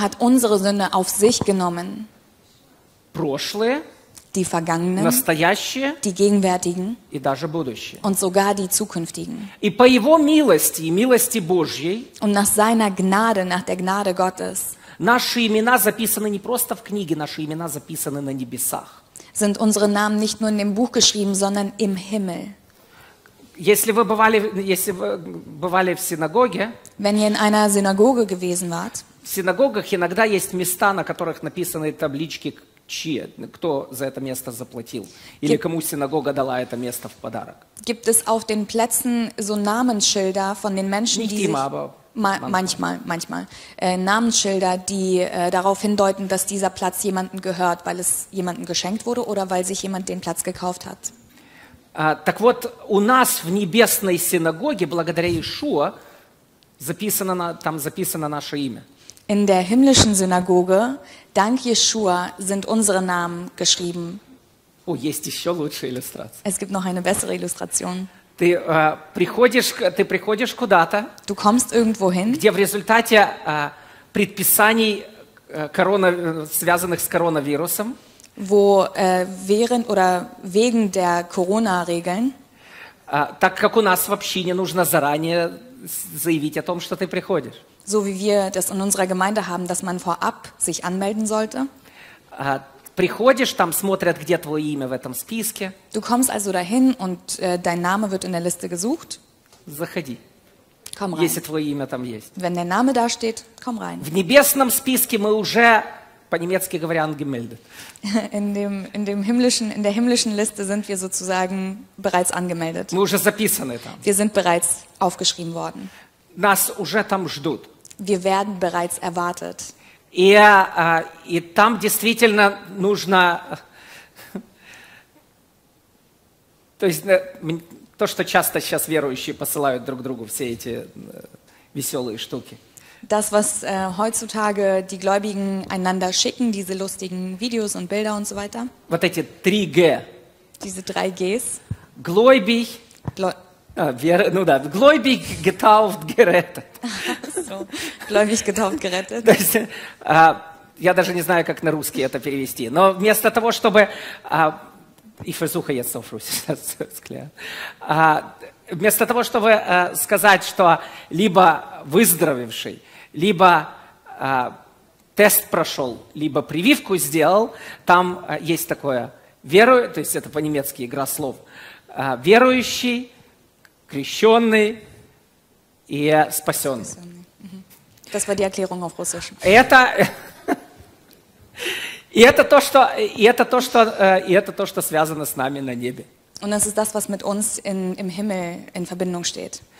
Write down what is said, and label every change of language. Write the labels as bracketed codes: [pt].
[de] hat unsere Sünde auf sich genommen. [ru] Прошлые, [de] die Vergangenen, [ru] настоящие, [de] die Gegenwärtigen [ru] и даже будущие. [de] Und sogar die Zukünftigen. [ru] И по его милости, и милости Божьей, [de] und nach seiner Gnade, nach der Gnade Gottes, [ru] наши имена записаны не просто в книге, наши имена записаны на небесах. [de] Sind unsere Namen nicht nur in dem Buch geschrieben, sondern im Himmel. [ru] Если вы бывали в синагоге, [de] wenn ihr in einer Synagoge gewesen wart, [ru] в синагогах иногда есть места, на которых написаны таблички чье, кто за это место заплатил? Или кому синагога дала это место в подарок? [de] Gibt es auf den Plätzen so Namensschilder von den Menschen, Nicht die immer, sich, aber manchmal Namensschilder, die darauf hindeuten, dass dieser Platz jemandem gehört, weil es jemandem geschenkt wurde oder weil sich jemand den Platz gekauft hat? [ru] Так вот, у нас в небесной синагоге, благодаря Иешуа, записано на, там записано наше имя. [de] In der himmlischen Synagoge, dank Yeshua, sind unsere Namen geschrieben. [ru] Oh, есть еще лучшая иллюстрация. [de] Es gibt noch eine bessere Illustration. [ru] Ты приходишь куда-то, [de] du kommst irgendwo hin, [ru] где в результате предписаний, корона, связанных с коронавирусом, [de] wo während oder wegen der Corona-Regeln, [ru] так как у нас в общине нужно заранее заявить о том, что ты приходишь. [de] So wie wir das in unserer Gemeinde haben, dass man vorab sich anmelden sollte. [ru] Приходишь, там смотрят, где твое имя в этом списке. [de] Du kommst also dahin und dein Name wird in der Liste gesucht. [ru] Заходи. [de] Komm rein. [ru] Если твое имя там есть. [de] Wenn dein Name da steht, komm rein. [ru] В небесном списке мы уже, по-немецки говоря, angemeldet. [de] In der himmlischen Liste sind wir sozusagen bereits angemeldet. [ru] Мы уже записаны там. [de] Wir sind bereits aufgeschrieben worden. [ru] Нас уже там ждут. [de] Wir werden bereits erwartet. [ru] И там действительно нужно, то есть то, что часто сейчас верующие посылают друг другу все эти веселые штуки. [de] Das, was heutzutage die Gläubigen einander schicken, diese lustigen Videos und Bilder und so weiter. [ru] Вот эти 3G. [de] Diese 3Gs. Gläubig. Gläubig getauft gerettet. Gläubig getauft gerettet. [ru] То есть, я даже не знаю, как на русский это перевести. Но вместо того, чтобы вместо того, чтобы сказать, что либо выздоровевший, либо тест прошел, либо прививку сделал, там есть такое верую, то есть это по-немецки игра слов, верующий. Крещённый и спасённый. [de] Das war die Erklärung auf Russisch. [ru] Это то, что связано с нами на небе. [de] Und das ist das, was mit uns im Himmel in Verbindung steht.